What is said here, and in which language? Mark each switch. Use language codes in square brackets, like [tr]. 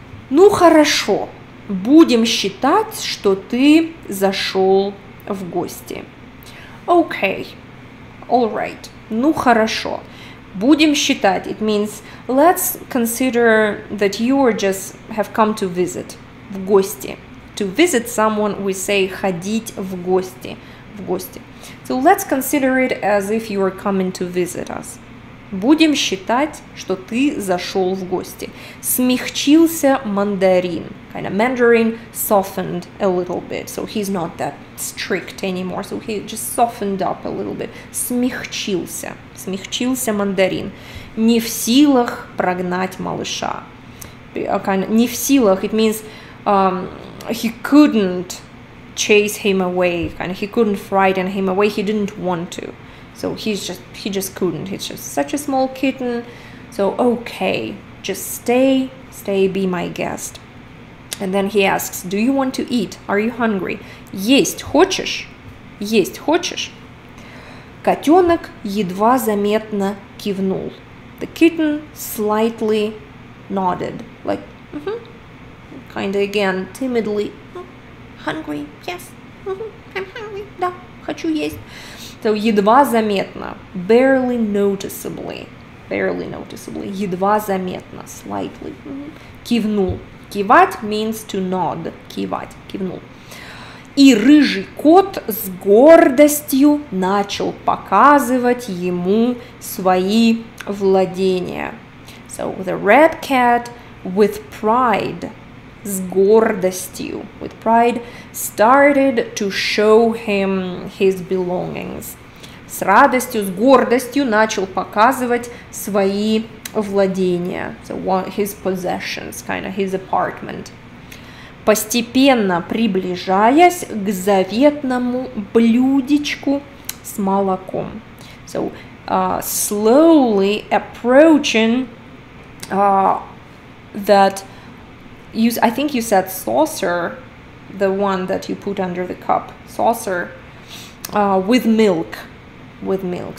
[ru] Ну хорошо, будем считать, что ты зашел в гости. [en] Okay, all right. [ru] Ну хорошо, будем считать. [en] It means let's consider that you are just have come to visit. [ru] В гости. [en] To visit someone, we say [ru] ходить в гости. В гости. [en] So let's consider it as if you are coming to visit us. [ru] Будем считать, что ты зашел в гости. Смягчился мандарин. [en] Kind of mandarin softened a little bit. So he's not that strict anymore. So he just softened up a little bit. [ru] Смягчился. Смягчился мандарин. Не в силах прогнать малыша. [en] Kind of, [ru] не в силах. [en] It means he couldn't chase him away. Kind of, he couldn't frighten him away. He didn't want to. So he just couldn't. He's just such a small kitten. So okay, just stay, be my guest. And then he asks, "Do you want to eat? Are you hungry?" [ru] Есть хочешь? Есть хочешь? Котенок едва заметно кивнул. [en] The kitten slightly nodded, like kind of again timidly. Hungry? Yes. I'm hungry. [ru] Да, хочу есть. [en] So, [ru] едва заметно, [en] barely noticeably, едва заметно, slightly, кивнул. Кивать means to nod, [ru] кивать, кивнул. И рыжий кот с гордостью начал показывать ему свои владения. [en] So, the red cat with pride, [ru] с гордостью, [en] with pride, started to show him his belongings. [ru] С радостью, с гордостью начал показывать свои владения. [en] So, his possessions, kind of his apartment. [ru] Постепенно приближаясь к заветному блюдечку с молоком. [en] So, slowly approaching that, I think you said saucer, the one that you put under the cup, saucer, with milk. With milk.